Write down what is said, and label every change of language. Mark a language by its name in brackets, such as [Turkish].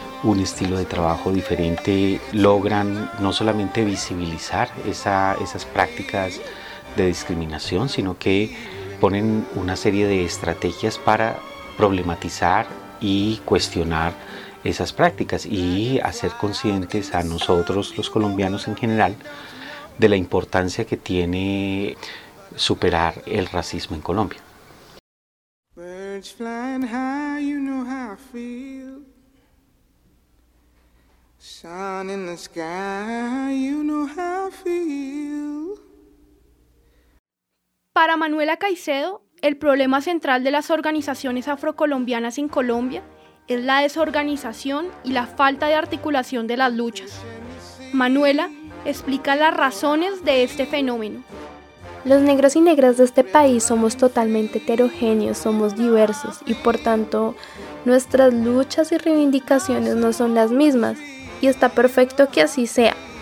[Spanish] un estilo de trabajo diferente, logran no solamente visibilizar esas prácticas de discriminación, sino que ponen una serie de estrategias para problematizar y cuestionar esas prácticas y hacer conscientes a nosotros, los colombianos en general, de la importancia que tiene superar el racismo en Colombia. [English] Birds flying high, you know how I feel. Sun in the sky, you know how I feel. [Spanish] Para Manuela Caicedo, el problema central de las organizaciones afrocolombianas en Colombia es la desorganización y la falta de articulación de las luchas. Manuela explica las razones de este fenómeno. Los negros y negras de este país somos totalmente heterogéneos, somos diversos y por tanto nuestras luchas y reivindicaciones no son las mismas y está perfecto que así sea.